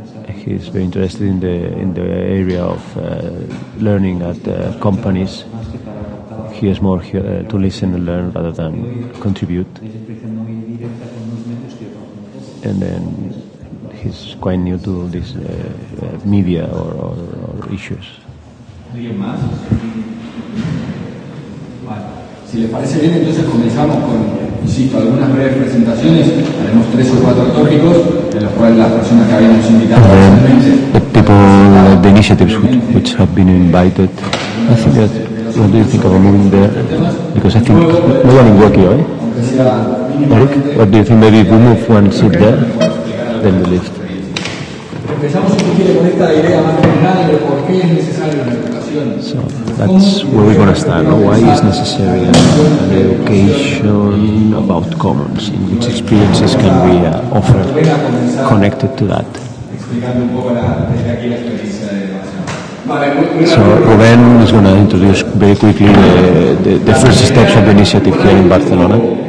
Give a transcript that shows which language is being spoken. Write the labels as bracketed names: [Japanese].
[English] He's very interested in the area of learning at companies. He is more here to listen and learn rather than contribute. And then he's quite new to this media or issues. [Spanish] Si le parece bien, entonces comenzamos con, insisto, algunas breves presentaciones. Haremos tres o cuatro tópicos, de los cuales las personas que habíamos invitado [English] anteriormente. The initiatives which have been invited. I think that, what do you think about moving there? Because I think no one in Wokio, eh? Eric, what do you think? Maybe we move one seat there, then the lift. [Spanish] Empezamos un poquito con esta idea más general de por qué es necesario la educación. [English] So, that's where we're going to start, no? Why is necessary an education about commons, in which experiences can we offer connected to that? So Ruben is going to introduce very quickly the first steps of the initiative here in Barcelona.